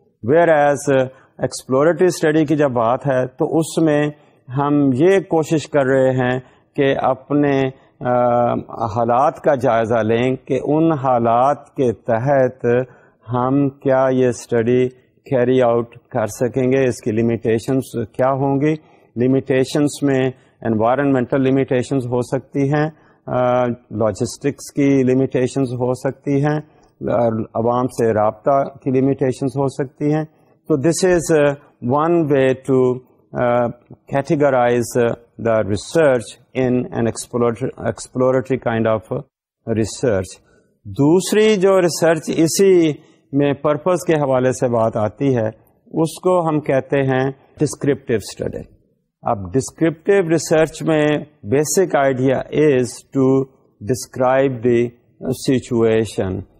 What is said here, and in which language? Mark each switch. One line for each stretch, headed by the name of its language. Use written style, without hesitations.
English: where is exploratory study
Urdu: کی جب بات ہے تو اس میں ہم یہ کوشش کر رہے ہیں کہ اپنے حالات کا جائزہ لیں کہ ان حالات کے تحت ہم کیا یہ اسٹڈی کیری آؤٹ کر سکیں گے, اس کی لمیٹیشنس کیا ہوں گی. لمیٹیشنس میں انوائرمنٹل لمیٹیشنس ہو سکتی ہیں, لاجسٹکس کی لمیٹیشنس ہو سکتی ہیں, عوام سے رابطہ کی لمیٹیشنس ہو سکتی ہیں.
English: تو this is one way to categorize the research in an exploratory kind of research.
Urdu: دوسری جو ریسرچ اسی میں پرپز کے حوالے سے بات آتی ہے اس کو ہم کہتے ہیں ڈسکرپٹیو اسٹڈی.
English: اب descriptive research میں basic idea is to describe the situation.